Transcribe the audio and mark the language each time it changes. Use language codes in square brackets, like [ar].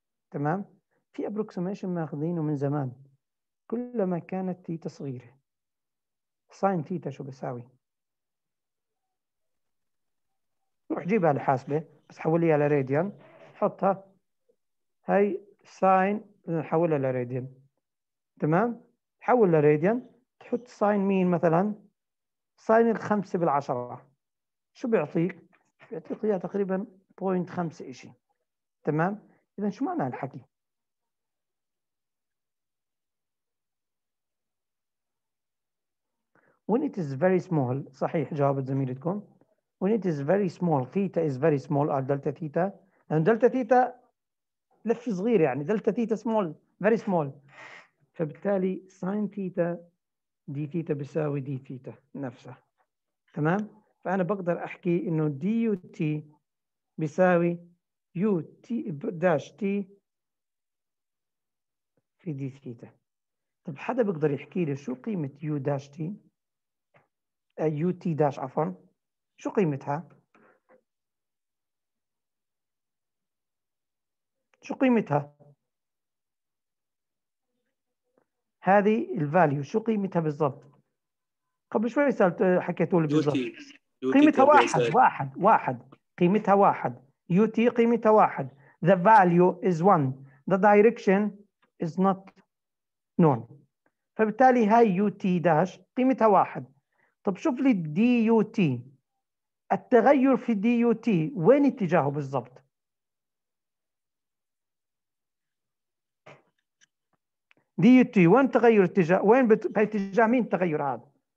[ar] تمام، في ابروكسيميشن ماخذينه من زمان، كلما كانت تيتا صغيره ساين تيتا شو بساوي؟ روح جيبها الحاسبه بس حوليها لراديان، حطها هاي ساين حولها لراديان. تمام، تحول لراديان، تحط ساين مين مثلا؟ ساين الخمسة بالعشرة شو بيعطيك؟ بيعطيك اياها تقريبا 0.5 شيء. تمام، إذا شو معنى الحكي؟ [en] When it is very small، [ar] صحيح جواب زميلتكم. When it is very small، [en] theta is very small، delta theta [ar] لأن دلتا ثيتا لف صغير يعني دلتا ثيتا سمول فيري سمول، فبالتالي ساين ثيتا دي ثيتا بيساوي دي ثيتا نفسها تمام. فأنا بقدر أحكي إنه دي يو تي بيساوي يو تي داش تي في دي ثيتا. طب حدا بقدر يحكي لي شو قيمة يو داش تي يو تي داش عفوا شو قيمتها؟ شو قيمتها؟ هذه الفاليو شو قيمتها بالضبط؟ قبل شوي سألت حكيتوا لي بالضبط قيمتها واحد واحد واحد قيمتها واحد يو تي قيمتها واحد. [en] The value is one. The direction is not known. [ar] فبالتالي هاي يو تي داش قيمتها واحد. طب شوف لي دي يو تي التغير في دي يو تي وين اتجاهه بالضبط؟ دي يو تي وين تغير اتجاه وين باتجاه مين التغير هذا؟